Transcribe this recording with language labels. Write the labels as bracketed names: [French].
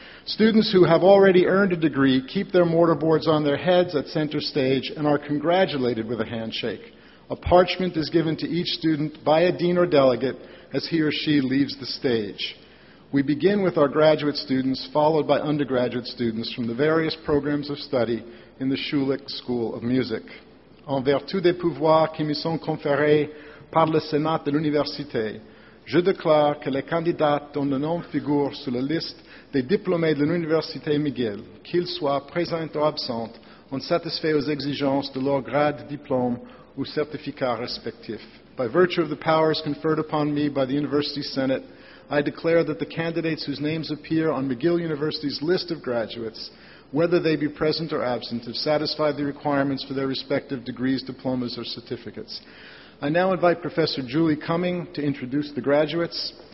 [English] Students who have already earned a degree keep their mortarboards on their heads at center stage and are congratulated with a handshake. A parchment is given to each student by a dean or delegate as he or she leaves the stage. We begin with our graduate students, followed by undergraduate students from the various programs of study in the Schulich School of Music. [French] En vertu des pouvoirs qui me sont conférés par le Sénat de l'Université, je déclare que les candidats dont le nom figure sur la liste des diplômés de l'Université McGill, qu'ils soient présents ou absents, ont satisfait aux exigences de leur grade, diplôme ou certificat respectif. [English] By virtue of the powers conferred upon me by the University Senate, I declare that the candidates whose names appear on McGill University's list of graduates, whether they be present or absent, have satisfied the requirements for their respective degrees, diplomas, or certificates. I now invite Professor Julie Cumming to introduce the graduates.